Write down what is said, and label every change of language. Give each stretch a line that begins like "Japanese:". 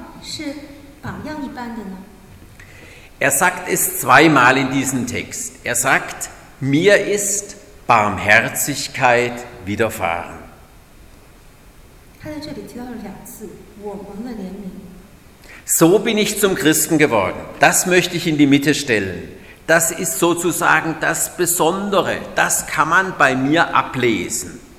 Chinese: 在他生命里面究竟什么是典型的呢？或者说什么是榜样一般的呢？
German: Er sagt es zweimal in diesem Text. Er sagt, mir ist Barmherzigkeit widerfahren.
Chinese: 他在这里提到了两次，我们的怜悯。
German: So bin ich zum Christen geworden. Das möchte ich in die Mitte stellen. Das ist sozusagen das Besondere. Das kann man bei mir ablesen.